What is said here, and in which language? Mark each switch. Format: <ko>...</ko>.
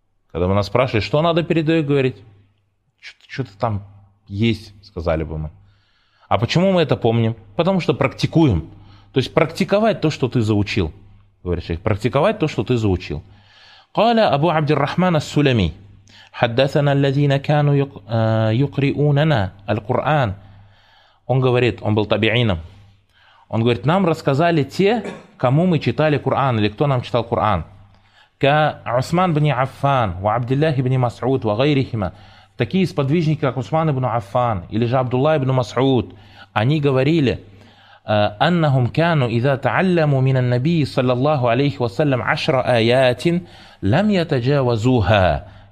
<ru>Когда бы нас спрашивали, что надо перед едой говорить, что-то там есть, сказали бы мы. А почему мы это помним? Потому что практикуем. То есть практиковать то, что ты заучил. Говорит шейх, практиковать то, что ты заучил. Каля Абу Абдиррахмана Сулями.</ru> <ar>حدثنا الذين كانوا يقرؤوننا القرآن.</ar> <ru>Он говорит, он был табиином. Он говорит, нам рассказали те, кому мы читали Коран или кто нам читал Коран.</ru> <ar>Ка Усман бни Аффан, ва Абдуллах бни Масуд, ва гайрихима.</ar> <ru>Такие сподвижники, как Усман ибн Аффан или же Абдуллах ибн Масуд, они говорили,</ru> <ar>أنهم كانوا إذا تعلموا من النبي صلى الله عليه وسلم عشر آيات لم يتجاوزوها.</ar>